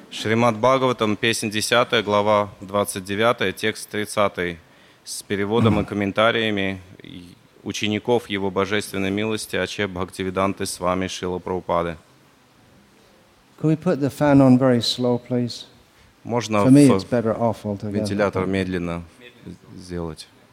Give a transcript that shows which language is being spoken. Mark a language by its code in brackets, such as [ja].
[ru] Srimad Bhagavatam, Песня 10, Глава 29, Текст 30, с переводом и комментариями учеников Его Божественной Милости, Аче Бхактивиданты Свами Шрила Прабхупады. [en] Could we put the fan on very slow, please? [ru] Можно вентилятор медленно сделать.